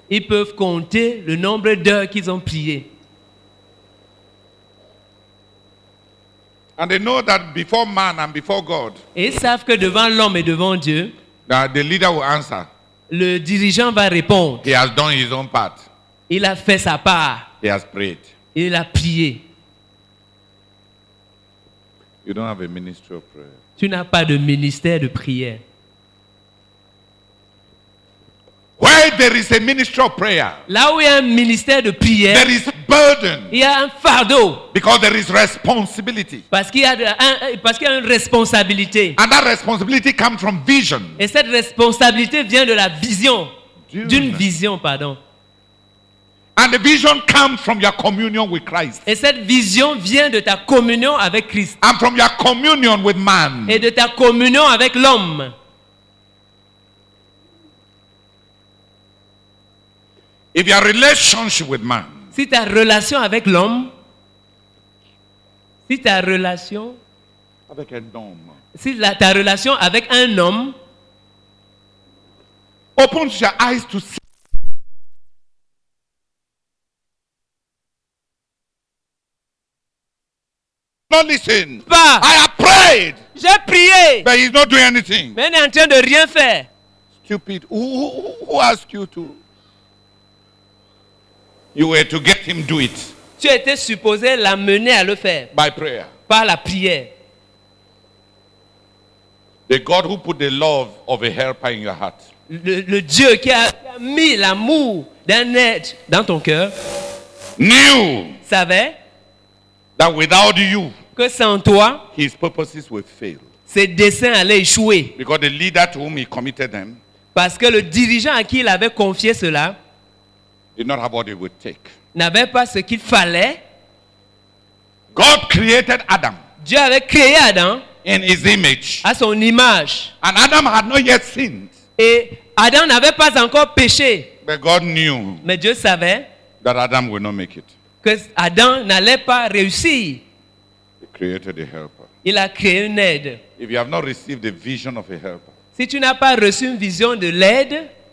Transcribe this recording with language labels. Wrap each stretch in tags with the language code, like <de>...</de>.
<fr>Ils peuvent compter le nombre d'heures qu'ils ont prié.</fr> <en>And they know that before man and before God,</en> <fr>ils savent que devant l'homme et devant Dieu,</fr> <en>that the leader will answer.</en> <fr>Le dirigeant va répondre.</fr> <en>He has done his own part.</en> <fr>Il a fait sa part.</fr> <en>He has prayed.</en> <fr>Il a prié.</fr> <en>You don't have a ministry of prayer.</en> <fr>Tu n'as pas de ministère de prière.</fr> <en>Where there is a ministry of prayer,</en> <fr>là où il y a un ministère de prière,</fr> <en>there is burden,</en> <fr>il y a un fardeau,</fr> <en>because there is responsibility,</en> <fr>parce qu'il y a une responsabilité,</fr> <en>and that responsibility comes from vision,</en> <fr>et cette responsabilité vient de la vision, d'une vision, pardon,</fr> <en>and the vision comes from your communion with Christ,</en> <fr>et cette vision vient de ta communion avec Christ,</fr> <en>and from your communion with man,</en> <fr>et de ta communion avec l'homme.</fr> <en>If your relationship with man,</en> <fr>si ta relation avec l'homme, si ta relation avec un homme, si ta relation avec un homme,</fr> <en>opens your eyes to see. Don't listen.</en> <fr>Pas.</fr> <en>I have prayed.</en> <fr>J'ai prié.</fr> <en>But he's not doing anything.</en> <fr>Mais il n'est en train de rien faire.</fr> <en>Stupid. Who asked you to? You were to get him do it.</en> <fr>Tu étais supposé l'amener à le faire.</fr> <en>By prayer.</en> <fr>Par la prière.</fr> <en>The God who put the love of a helper in your heart.</en> <fr>Le Dieu qui a mis l'amour d'un aide dans ton cœur.</fr> <en>Knew.</en> <fr>Savait.</fr> <en>That without you.</en> <fr>Que sans toi.</fr> <en>His purposes would fail.</en> <fr>Ses desseins allaient échouer.</fr> <en>Because the leader to whom he committed them.</en> <fr>Parce que le dirigeant à qui il avait confié cela.</fr> <en>Did not have what it would take.</en> <fr>N'avait pas ce qu'il fallait.</fr> <en>God created Adam.</en> <fr>Dieu avait créé Adam.</fr> <en>In his image.</en> <fr>À son image.</fr> <en>And Adam had not yet sinned.</en> <fr>Et Adam n'avait pas encore péché.</fr> <en>But God knew.</en> <fr>Mais Dieu savait.</fr> <en>That Adam would not make it.</en> <fr>Que Adam n'allait pas réussir.</fr> <en>He created a helper.</en> <fr>Il a créé une aide.</fr> <en>If you have not received the vision of a helper.</en> <fr>Si tu n'as pas reçu une vision de l'aide.</fr>